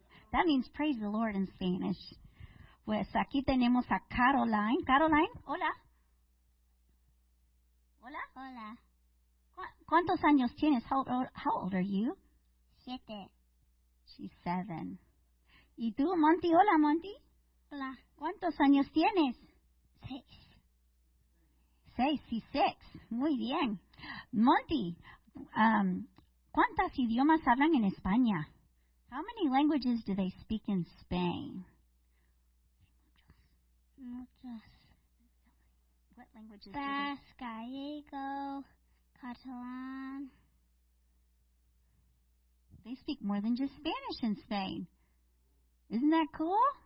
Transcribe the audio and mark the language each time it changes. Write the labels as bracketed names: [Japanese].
[English] That means praise the Lord in Spanish. [Spanish] Pues aquí tenemos a Caroline. Caroline, hola. Hola. Hola. ¿Cuántos años tienes? [English] How old are you? [Spanish] Siete. [English] She's seven. [Spanish] ¿Y tú, Monty? Hola, Monty. Hola. ¿Cuántos años tienes? Seis. Seis, sí, six. Muy bien. Monty, ¿cuántas idiomas hablan en España? [English] How many languages do they speak in Spain? [Spanish] Muchos. [English] languages. Basque, Gallego, Catalan. They speak more than just Spanish in Spain. Isn't that cool?